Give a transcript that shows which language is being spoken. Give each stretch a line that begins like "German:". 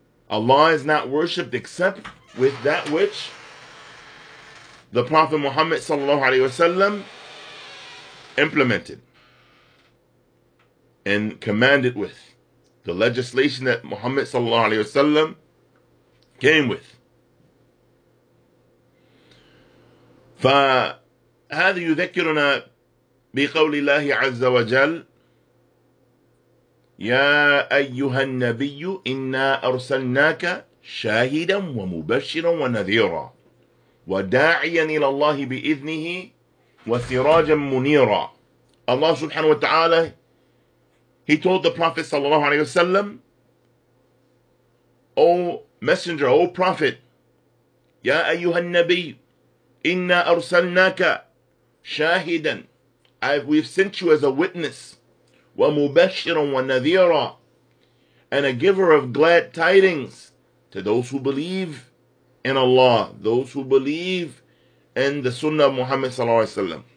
English: Allah is not worshipped except with that which the Prophet Muhammad sallallahu alayhi wa sallam implemented and commanded with, the legislation that Muhammad sallallahu alayhi wa sallam came with.
Arabic: فَهَذِي يُذَكِّرُنَا بِقَوْلِ اللَّهِ عَزَّ وَجَلْ يا أيها النبي إنا أرسلناك شاهدا ومبشرا ونذيرا وداعيا إلى الله بإذنه وسراجا منيرا.
English: Allah subhanahu wa ta'ala, he told the Prophet sallallahu alayhi wa sallam, O Messenger, O Prophet,
Arabic: يا أيها النبي إنا أرسلناك شاهدا,
English: we've sent you as a witness,
Arabic: وَمُبَشِّرًا وَنَذِيرًا,
English: and a giver of glad tidings to those who believe in Allah, those who believe in the Sunnah of Muhammad
Arabic: صلى الله عليه وسلم.